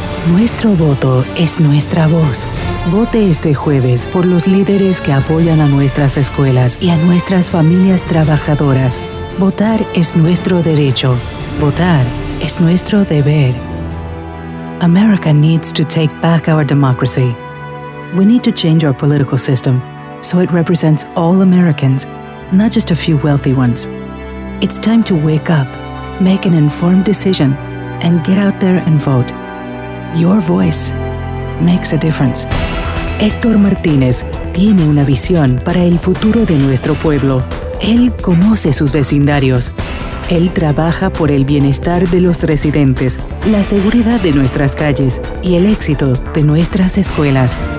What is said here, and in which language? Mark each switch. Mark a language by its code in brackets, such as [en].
[es] Nuestro voto es nuestra voz. Vote este jueves por los líderes que apoyan a nuestras escuelas y a nuestras familias trabajadoras. Votar es nuestro derecho. Votar es nuestro deber. [en] America needs to take back our democracy. We need to change our political system so it represents all Americans, not just a few wealthy ones. It's time to wake up, make an informed decision, and get out there and vote. Your voice makes a difference. [es] Héctor Martínez tiene una visión para el futuro de nuestro pueblo. Él conoce sus vecindarios. Él trabaja por el bienestar de los residentes, la seguridad de nuestras calles y el éxito de nuestras escuelas.